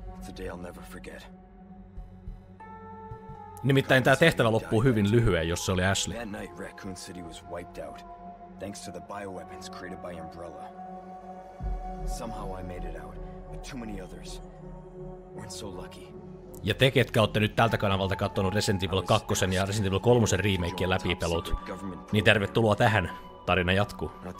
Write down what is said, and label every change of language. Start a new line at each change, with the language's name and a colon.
Finnish: 30th, nimittäin tää tehtävä loppuu hyvin lyhyen, jos se oli Ashley.
English: That night, Raccoon City was wiped out, thanks to the bioweapons created by Umbrella. Somehow I made it out, but too many others weren't so lucky.
Finnish: Ja te, ketkä olette nyt tältä kanavalta kattonut Resident Evil 2 ja Resident Evil 3 remakeen läpipelut, niin tervetuloa tähän. Tarina jatkuu.